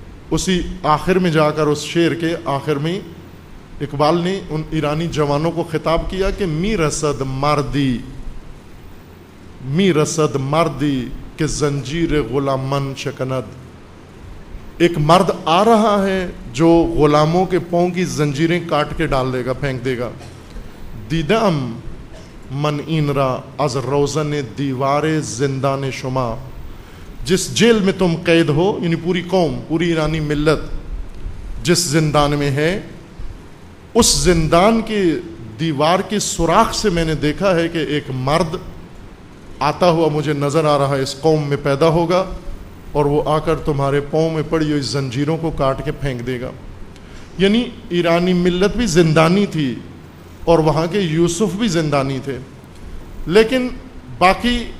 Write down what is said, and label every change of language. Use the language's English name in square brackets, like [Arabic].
[Urdu] اسی آخر میں جا کر، اس شعر کے آخر میں، اقبال نے ان ایرانی جوانوں کو خطاب کیا کہ [Persian] می رسد مردی، می رسد مردی کہ زنجیر غلامن شکند، [Urdu] ایک مرد آ رہا ہے جو غلاموں کے پاؤں کی زنجیریں کاٹ کے ڈال دے گا، پھینک دے گا. [Persian] دیدم من این را از روزن دیوار زندان شما، [Urdu] جس جیل میں تم قید ہو، یعنی پوری قوم، پوری ایرانی ملت جس زندان میں ہے، اس زندان کے دیوار کے سوراخ سے میں نے دیکھا ہے کہ ایک مرد آتا ہوا مجھے نظر آ رہا ہے، اس قوم میں پیدا ہوگا اور وہ آ کر تمہارے پاؤں میں پڑی ہوئی زنجیروں کو کاٹ کے پھینک دے گا۔ یعنی ایرانی ملت بھی زندانی تھی اور وہاں کے یوسف بھی زندانی تھے، لیکن باقی